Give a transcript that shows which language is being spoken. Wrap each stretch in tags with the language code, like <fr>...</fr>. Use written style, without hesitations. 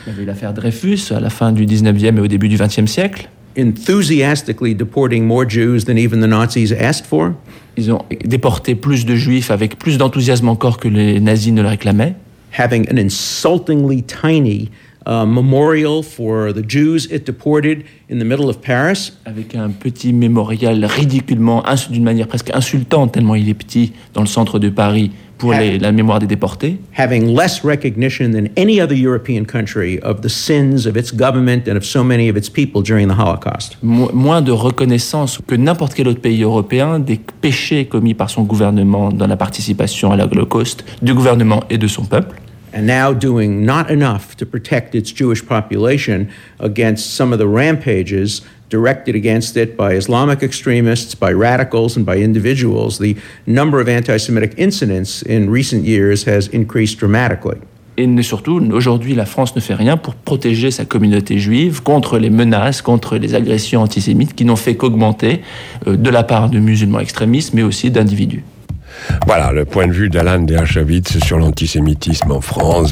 <fr>Il y avait l'affaire Dreyfus à la fin du 19e et au début du 20e siècle.</fr> <en>Enthusiastically deporting more Jews than even the Nazis asked for.</en> <fr>Ils ont déporté plus de Juifs avec plus d'enthousiasme encore que les nazis ne le réclamaient.</fr> <en>Having an insultingly tiny memorial for the Jews it deported in the middle of Paris.</en> <fr>Avec un petit mémorial ridiculement, d'une manière presque insultante, tellement il est petit, dans le centre de Paris, pour la mémoire des déportés.</fr> <en>Having less recognition than any other European country of the sins of its government and of so many of its people during the Holocaust.</en> <fr>Moins de reconnaissance que n'importe quel autre pays européen des péchés commis par son gouvernement dans la participation à l'Holocauste, du gouvernement et de son peuple.</fr> <en>And now doing not enough to protect its Jewish population against some of the rampages directed against it by Islamic extremists, by radicals, and by individuals, the number of anti-Semitic incidents in recent years has increased dramatically.</en> <fr>Et surtout, aujourd'hui, la France ne fait rien pour protéger sa communauté juive contre les menaces, contre les agressions antisémites qui n'ont fait qu'augmenter de la part de musulmans extrémistes, mais aussi d'individus. Voilà le point de vue d'Alain Dershowitz sur l'antisémitisme en France.</fr>